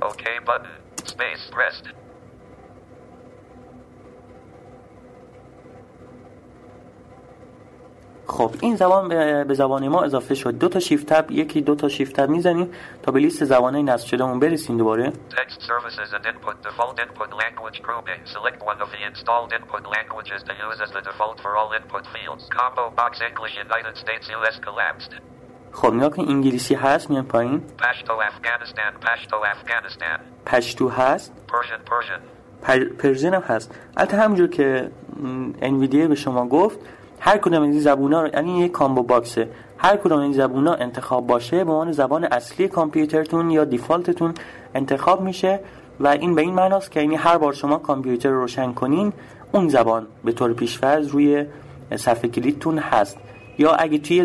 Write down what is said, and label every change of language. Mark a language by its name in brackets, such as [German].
[English] Okay بادن. Space rest. [Persian] خب این زبان به زبان ما اضافه شد. دو تا شیفت تب، یکی دو تا شیفت تب میزنیم تا به لیست زبانه نصب شده مون برسیم. دوباره [English] text services and input default input language group A. Select one of the installed input languages to use as the default for all input fields. Combo box English United States US collapsed. [Persian] خب نگاه کنید انگلیسی هست، میان پایین. [English] Pashto Afghanistan Pashto Afghanistan. [Persian] پشتو هست. [English] Persian Persian. [Persian] پرژن هم هست. البته همونجور که انویدیه به شما گفت هر کدوم این زبونا رو، یعنی یک کامبو باکسه، هر کدوم این زبونا انتخاب باشه به عنوان زبان اصلی کامپیوترتون یا دیفالتتون انتخاب میشه و این به این معناست که یعنی هر بار شما کامپیوتر رو روشن کنین اون زبان به طور پیش‌فرض روی صفحه کلیدتون هست، یا اگه